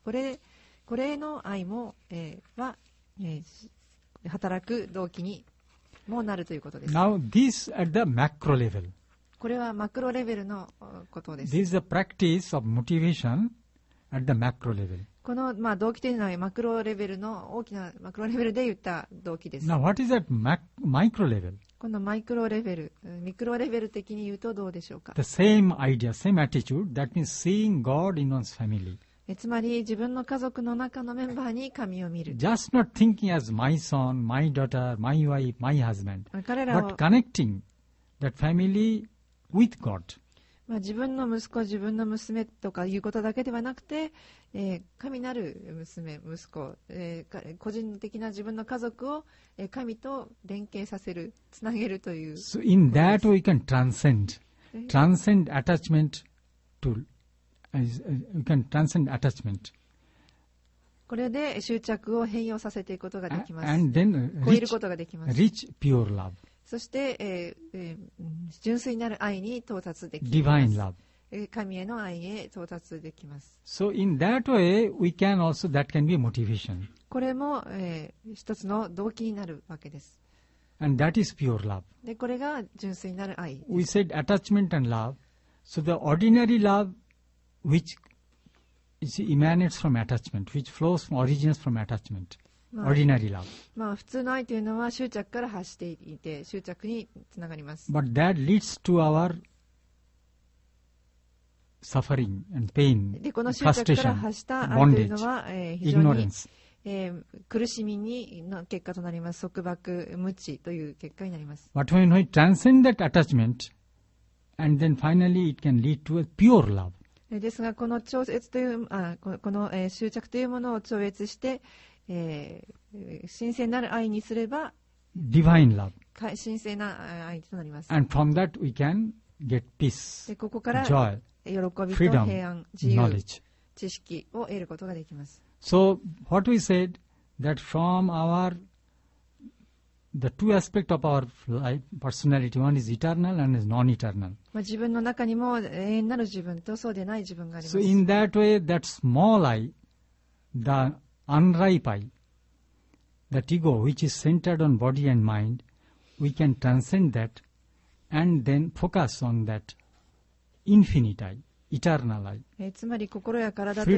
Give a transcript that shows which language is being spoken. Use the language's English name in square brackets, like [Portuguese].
[Japanese] これの愛も、は、働く動機にもなるということです。 [English] Now, this at the macro level. [Japanese] これはマクロレベルのことです。 [English] This is the practice of motivation at the macro level. [Japanese] この、まあ、動機というのはマクロレベルの大きなマクロレベルで言った動機です。 [English] Now, what is that micro level? [Japanese] このマイクロレベル、ミクロレベル的に言うとどうでしょうか。 [English] The same idea, same attitude, that means seeing God in one's family. [Japanese] つまり自分の家族の中のメンバーに神を見る。 [English] Just not thinking as my son, my daughter, my wife, my husband, but connecting that family with God. [Japanese] 自分の息子、自分の娘とかいうことだけではなくて、神なる娘、息子、個人的な自分の家族を神と連携させる、つなげるという。 [English] So in that we can transcend attachment to. You can transcend attachment. [Japanese] これで執着を変容させていくことができます。 [English] And then [Japanese] reach, 超えることができます。 [English] Rich, pure love. [Japanese] そして、純粋なる愛に到達できます。 [English] Divine love. [Japanese] 神への愛へ到達できます。 [English] So in that way, we can also, that can be motivation. [Japanese] これも、一つの動機になるわけです。 [English] And that is pure love. [Japanese] で、これが純粋なる愛。 [English] We said attachment and love. So the ordinary love,which is emanates from attachment, which flows from origins from attachment,、まあ、ordinary love. [Japanese] まあ普通の愛というのは執着から発していて執着につながります。 [English] But that leads to our suffering and pain, frustration, bondage, ignorance. [Japanese] でこの執着から発した愛というのは、非常に、苦しみにの結果となります。束縛、無知という結果になります。 [English] But when we transcend that attachment, and then finally it can lead to a pure love. [Japanese] ですがこの超越という、この、執着というものを超越して、神聖なる愛にすれば [English] Divine love. [Japanese] 神聖な愛となります。 [English] And from that we can get peace, [Japanese] でここから [English] joy, [Japanese] 喜びと平安 [English] freedom, [Japanese] 自由 [English] knowledge. [Japanese] 知識を得ることができます。 [English] So what we said that from our the two aspects of our life, personality, one is eternal and is non-eternal. [Japanese] まあ、自分の中にも永遠なる自分とそうでない自分があります。 [English] So in that way, that small I, the unripe I, that ego which is centered on body and mind, we can transcend that and then focus on that infinite I, eternal I. [Japanese] つまり心や体という